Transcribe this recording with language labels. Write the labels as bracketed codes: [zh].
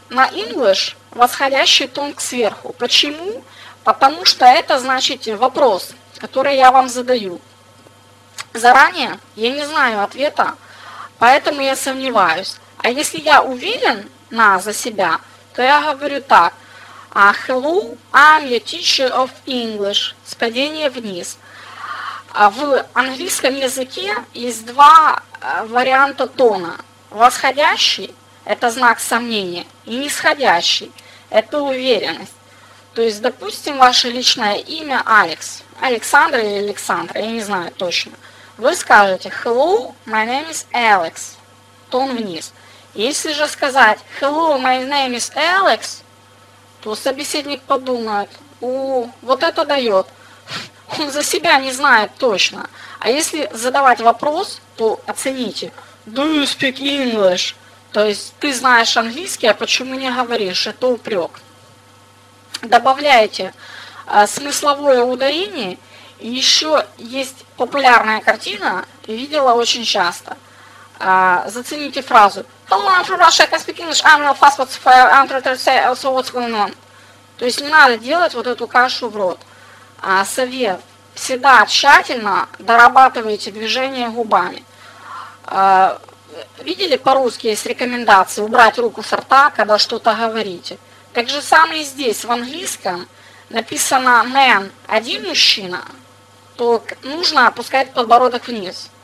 [ru] На English восходящий тон сверху. Почему? Потому что это значит вопрос, который я вам задаю. Заранее я не знаю ответа, поэтому я сомневаюсь. А если я уверен на за себя, то я говорю так. [en] Hello, I'm your teacher of English. [ru] Спадение вниз. В английском языке есть два варианта тона. Восходящий – это знак сомнения. И нисходящий – это уверенность. То есть, допустим, ваше личное имя Алекс. Александр или Александра, я не знаю точно. Вы скажете [en] «Hello, my name is Alex». [ru] Тон вниз. Если же сказать [en] «Hello, my name is Alex», [ru] то собеседник подумает «О, вот это дает». Он за себя не знает точно. А если задавать вопрос, то оцените [en] «Do you speak English?» [ru] То есть ты знаешь английский, а почему не говоришь? Это упрек. Добавляйте смысловое ударение. И еще есть популярная картина, видела очень часто. Зацените фразу. [en] Hello, I'm from Russia, I can speak English, I'm real fast, what's fire, I'm trying to say, so what's going on? [ru] То есть не надо делать вот эту кашу в рот. Совет. Всегда тщательно дорабатывайте движение губами. Видели по-русски есть рекомендации убрать руку с рта, когда что-то говорите? Так же самое и здесь, в английском, написано man, один мужчина, то нужно опускать подбородок вниз.